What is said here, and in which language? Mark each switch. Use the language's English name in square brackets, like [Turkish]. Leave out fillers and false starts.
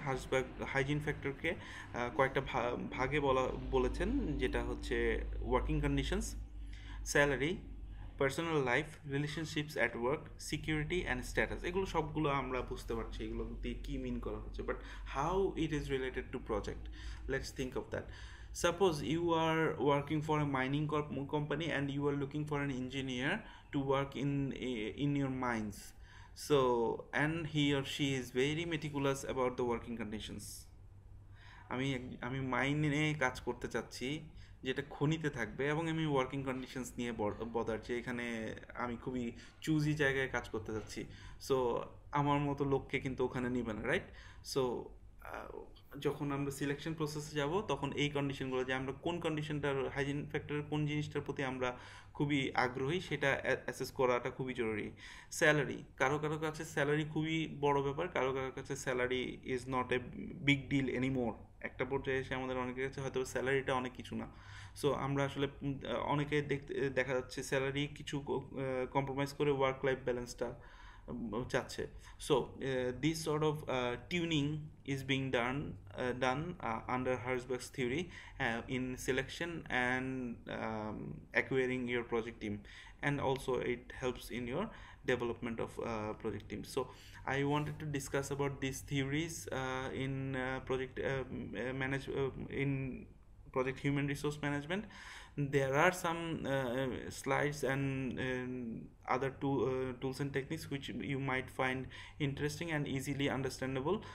[Bangla] হার্জবার্গ hygiene ফ্যাক্টরকে কয়েকটা ভাগে বলেছেন, যেটা হচ্ছে working conditions, salary, personal life, relationships at work, security and status. এগুলো সবগুলো আমরা বুঝতে পারছি এগুলো দিয়ে কী মিন করা হচ্ছে, [English] But how it is related to project, let's think of that. Suppose you are working for a mining company and you are looking for an engineer to work in your mines. So, and he or she is very meticulous about the working conditions. [Bangla] আমি মাইনে কাজ করতে চাচ্ছি যেটা খনিতে থাকবে, এবং আমি working conditions নিয়ে বদার যে এখানে আমি খুবই চুজি জায়গায় কাজ করতে চাচ্ছি, সো আমার মতো লোককে কিন্তু ওখানে নেবে না, রাইট? সো যখন আমরা সিলেকশন প্রসেসে যাব তখন এই কন্ডিশনগুলো, যে আমরা কোন কন্ডিশনটার, হাইজিন ফ্যাক্টরের কোন জিনিসটার প্রতি আমরা খুবই আগ্রহী সেটা অ্যাসেস করাটা খুবই জরুরি। স্যালারি, কারো কারো কাছে স্যালারি খুবই বড় ব্যাপার, কারো কারো কাছে [English] salary is not a big deal anymore, [Bangla] একটা পর্যায়ে এসে আমাদের অনেকের কাছে হয়তো স্যালারিটা অনেক কিছু না। সো আমরা আসলে অনেকে দেখা যাচ্ছে স্যালারি কিছু কম্প্রোমাইজ করে ওয়ার্ক লাইফ ব্যালেন্সটা চাচ্ছে। [English] So this sort of tuning is being done under Herzberg's theory in selection and acquiring your project team and also it helps in your development of project team. So I wanted to discuss about these theories in project manage in project human resource management. There are some slides and other tools and techniques which you might find interesting and easily understandable.